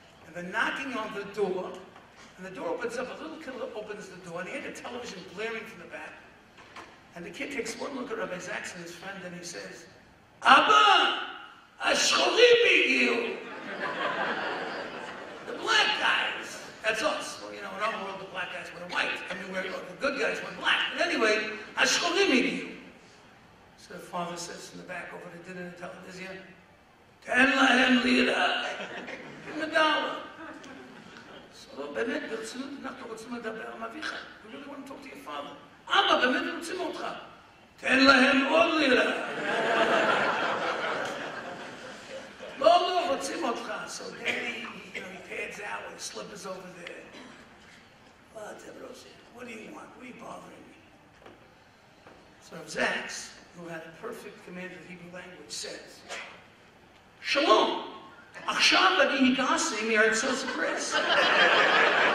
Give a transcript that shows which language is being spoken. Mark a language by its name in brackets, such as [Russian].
[English] And they're knocking on the door, and the door opens up, a little kid opens the door, and he had a television blaring from the back. And the kid takes one look at Rabbi Zaks and his friend, and he says, Abba, [Hebrew] השחורים הגיעו. [English] The black guys, that's us. Well, you know, in our world, the black guys went white. I mean, we're the good guys went black. But anyway, [Hebrew] השחורים הגיעו. [English] So the father sits in the back over the dinner and tells his son, [Hebrew] תן להם לירה. [English] Give me a dollar. [Hebrew] So, באמת, ברצינות, אנחנו רוצים לדבר עם אביך. [English] We really want to talk to your father. [Hebrew] אבא, באמת, רוצים אותך. תן להם עוד לירה. לא, לא, רוצים אותך. [English] So, daddy, you know, he pads out with slippers over there. [Hebrew] מה אתם רוצים? [English] What do you want? What are you bothering me? So, Zax, who had a perfect command of Hebrew language, says, [Hebrew] שלום, עכשיו אני הגעתי מארצות הברית.